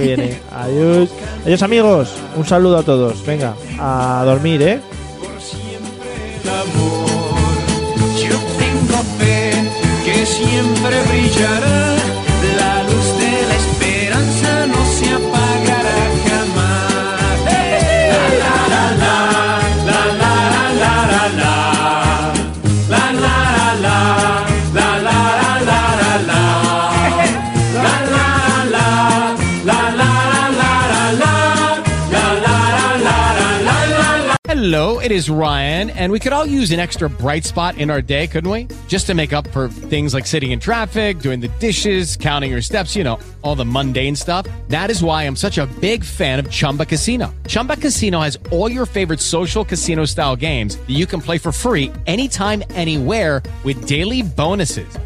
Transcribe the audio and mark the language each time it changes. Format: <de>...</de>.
<es>Que viene. Adiós. Adiós, amigos. Un saludo a todos. Venga, a dormir. Por siempre el amor, yo tengo fe que siempre brillará. La luz de la esperanza no se apagará jamás. La la la la la la la la la la la la la la la la la la la la la la la la la la la la la la la la la la la la la la.</es> <en>Hello, it is Ryan, and we could all use an extra bright spot in our day, couldn't we? Just to make up for things like sitting in traffic, doing the dishes, counting your steps, you know, all the mundane stuff. That is why I'm such a big fan of Chumba Casino. Chumba Casino has all your favorite social casino-style games that you can play for free anytime, anywhere with daily bonuses.</en>